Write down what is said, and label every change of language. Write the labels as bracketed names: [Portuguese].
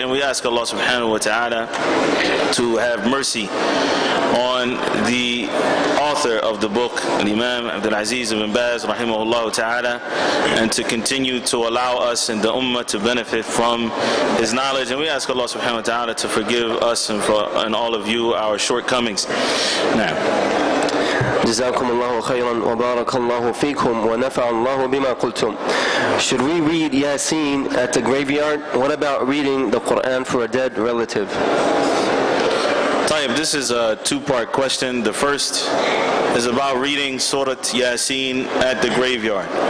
[English] And we ask Allah subhanahu wa ta'ala to have mercy on the author of the book, Imam Abdul Aziz ibn Baz, rahimahullah ta'ala, and to continue to allow us and the ummah to benefit from his knowledge. And we ask Allah subhanahu wa ta'ala to forgive us and for and all of you our shortcomings. Now. [Arabic] جزاكم الله خيرا وبارك الله فيكم ونفع الله بما قلتم. [English] Should we read Yasin at the graveyard? What about reading the Quran for a dead relative? طيب, this is a two-part question. The first is about reading Surah Yasin at the graveyard.